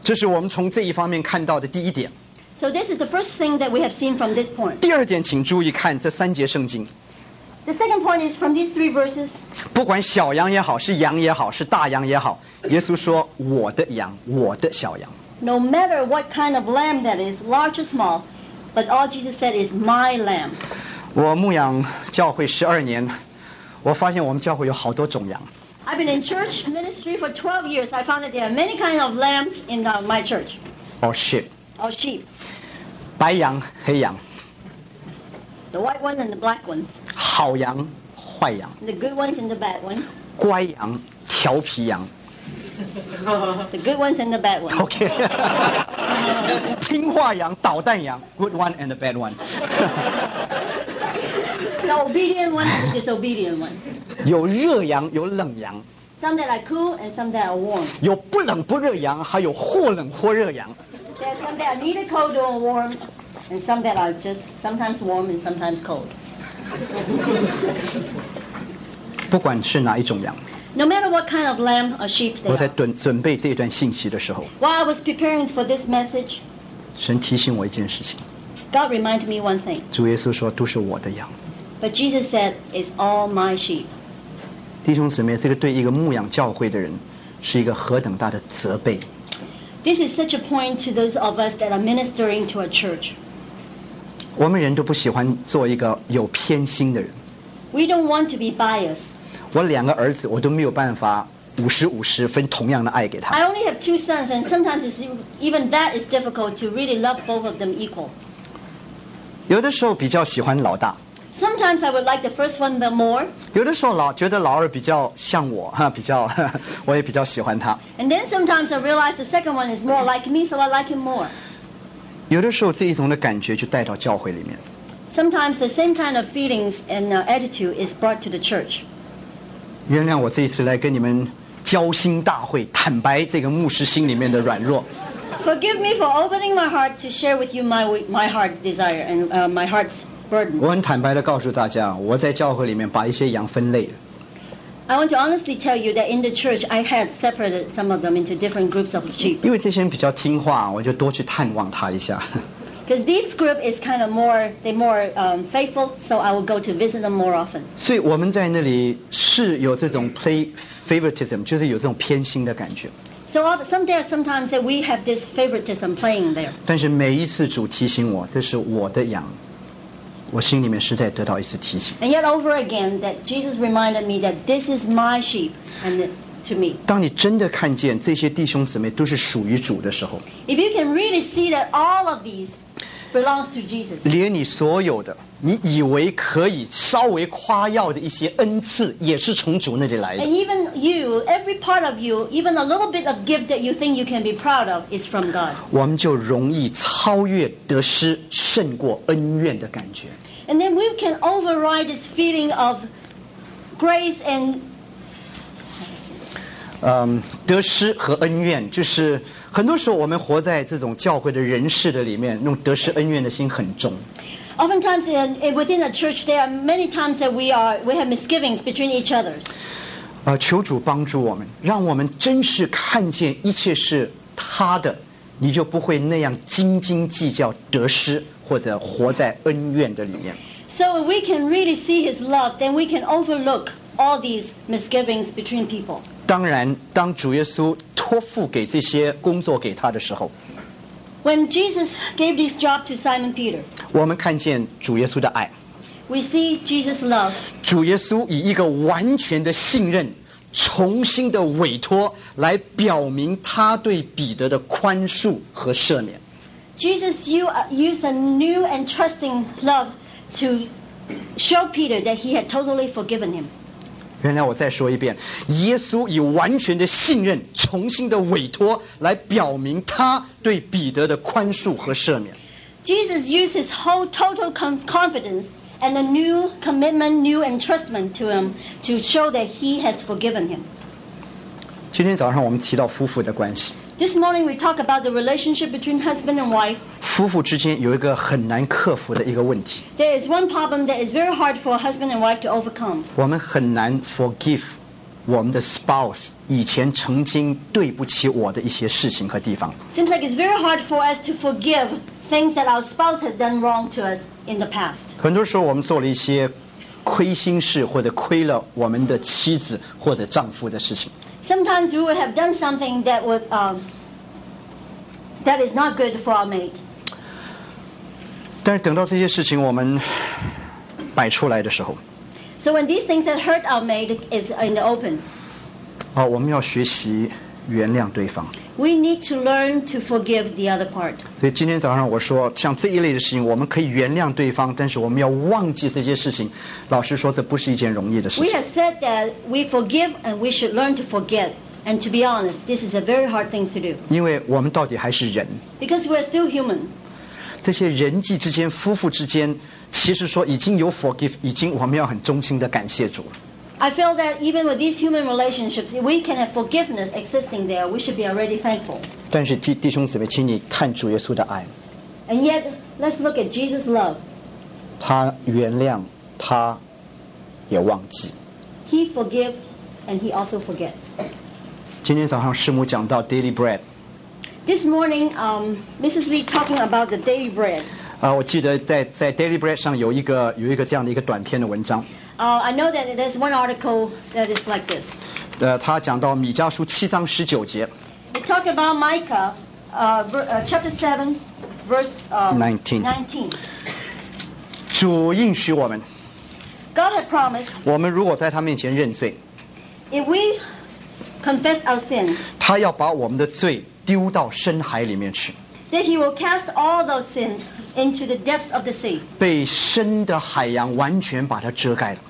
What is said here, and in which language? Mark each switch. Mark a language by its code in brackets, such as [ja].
[zh] 这是我们从这一方面看到的第一点。 [en] So this is the first thing that we have seen from this point. [zh] 第二点，请注意看这三节圣经。 [en] The second point is from these three verses. [zh] 不管小羊也好，是羊也好，是大羊也好，耶稣说：“我的羊，我的小羊。” [en] No matter what kind of lamb that is, large or small, but all Jesus said is my lamb. [zh] 我牧养教会十二年，我发现我们教会有好多种羊。 [en] I've been in church ministry for 12 years. I found that there are many kinds of lambs in my church. Or sheep. Or sheep. [zh] 白羊、黑羊。 [en] The white ones and the black ones. [zh] 好羊、坏羊。 [en] The good ones and the bad ones. [zh] 乖羊、调皮羊。 [en] The good ones and the bad ones. Okay. [zh] 听话羊、捣蛋羊。 [en] Good one and the bad one. The obedient one and the disobedient one. [zh] 有热羊，有冷羊。 [en] Some that are cool and some that are warm. [zh] 有不冷不热羊，还有或冷或热羊。 [en] There are some that are neither cold nor warm, and some that are just sometimes warm and sometimes cold. [zh] 不管是哪一种羊。 [en] No matter what kind of lamb or sheep they are. [zh] 我在准备这段信息的时候。 [en] While I was preparing for this message. [zh] 神提醒我一件事情。 [en] God reminded me one thing. [zh] 主耶稣说都是我的羊。 [en] But Jesus said, it's all my sheep. [zh] 弟兄姊妹，这个对一个牧养教会的人是一个何等大的责备。 [en] This is such a point to those of us that are ministering to a church. [zh] 我们人都不喜欢做一个有偏心的人。 [en] We don't want to be biased. [zh] 我两个儿子我都没有办法五十五十分同样的爱给他。 [en] I only have two sons and sometimes it's even that is difficult to really love both of them equal. [zh] 有的时候比较喜欢老大。 [en] Sometimes I would like the first one the more. [zh] 有的时候觉得老二比较像我，比较，我也比较喜欢他。 [en] And then sometimes I realize the second one is more like me, so I like him more. [zh] 有的时候这一种的感觉就带到教会里面。 [en] Sometimes the same kind of feelings and attitude is brought to the church. [zh] 原谅我这一次来跟你们交心大会，坦白这个牧师心里面的软弱。 [en] Forgive me for opening my heart to share with you my heart desire and my heart's. [zh] 我很坦白地告诉大家，我在教会里面把一些羊分类。 [en] I want to honestly tell you that in the church I had separated some of them into different groups of sheep. [zh] 因为这些人比较听话，我就多去探望他一下。 [en] Because this group is kind of more, they're more faithful, so I will go to visit them more often. [zh] 所以我们在那里是有这种 [en] play favoritism, [zh] 就是有这种偏心的感觉。 [en] So some there sometimes that we have this favoritism playing there. [zh] 但是每一次主提醒我，这是我的羊。我心里面实在得到一次提醒。 [en] And yet over again that Jesus reminded me that this is my sheep and to me. [zh] 当你真的看见这些弟兄姊妹都是属于主的时候。 [en] If you can really see that all of these belongs to Jesus. [zh] 连你所有的你以为可以稍微夸耀的一些恩赐也是从主那里来的。 [en] And even you, every part of you, even a little bit of gift that you think you can be proud of is from God. [zh] 我们就容易超越得失胜过恩怨的感觉。 [en] And then we can override this feeling of grace and [zh] 得失和恩怨，就是很多时候我们活在这种教会的人士的里面，那种得失恩怨的心很重。 [en] Oftentimes within a church, there are many times that we have misgivings between each other. [zh] 求主帮助我们，让我们真是看见一切是他的，你就不会那样斤斤计较得失。或者活在恩怨的里面。 [en] So if we can really see His love, then we can overlook all these misgivings between people. [zh] 当然，当主耶稣托付给这些工作给他的时候 [en] ，When Jesus gave this job to Simon Peter, [zh] 我们看见主耶稣的爱。 [en] We see Jesus' love. [zh] 主耶稣以一个完全的信任，重新的委托，来表明他对彼得的宽恕和赦免。 [en] Jesus used a new and trusting love to show Peter that he had totally forgiven him. [zh] 原来我再说一遍，耶稣以完全的信任，重新的委托，来表明他对彼得的宽恕和赦免。 [en] Jesus used his whole total confidence and a new commitment, new entrustment to him to show that he has forgiven him. [zh] 今天早上我们提到夫妇的关系。 [en] This morning we talk about the relationship between husband and wife. [zh] 夫妇之间有一个很难克服的一个问题。 [en] There is one problem that is very hard for a husband and wife to overcome. [zh] 我们很难 forgive 我们的 spouse 以前曾经对不起我的一些事情和地方。 [en] Seems like it's very hard for us to forgive things that our spouse has done wrong to us in the past. [zh] 很多时候我们做了一些亏心事或者亏了我们的妻子或者丈夫的事情。 [en] Sometimes we would have done something that would That is not good for our mate. [zh] 但等到这些事情我们摆出来的时候 [en] So when these things that hurt our mate is in the open, [zh] 我们要学习原谅对方 [en] We need to learn to forgive the other part. [zh] 所以今天早上我说像这一类的事情我们可以原谅对方但是我们要忘记这些事情老实说这不是一件容易的事情 [en] We have said that we forgive and we should learn to forget. And to be honest, this is a very hard thing to do. [zh] 因为我们到底还是人。 [en] Because we are still human. [zh] 这些人际之间、夫妇之间，其实说已经有 forgive， 已经我们要很衷心的感谢主。 [en] I feel that even with these human relationships, if we can have forgiveness existing there, we should be already thankful. [zh] 但是弟兄姊妹，请你看主耶稣的爱。 [en] And yet, let's look at Jesus' love. [zh] 他原谅，他也忘记。 [en] He forgives, and he also forgets. [zh] 今天早上师母讲到 daily bread [en] This morning, Mrs. Lee talking about the daily bread [zh] 我记得 在 daily bread 上有一个这样的一个短篇的文章 [en] I know that there's one article that is like this [zh] 他讲到米迦书七章十九节 [en] We talk about Micah chapter 7 verse 19 [zh] 主应许我们 [en] God had promised [zh] 我们如果在他面前认罪 [en] If weconfess our sin [zh] 他要把我们的罪丢到深海里面去 [en] then he will cast all those sins into the depths of the sea [zh] 被深的海洋完全把它遮盖了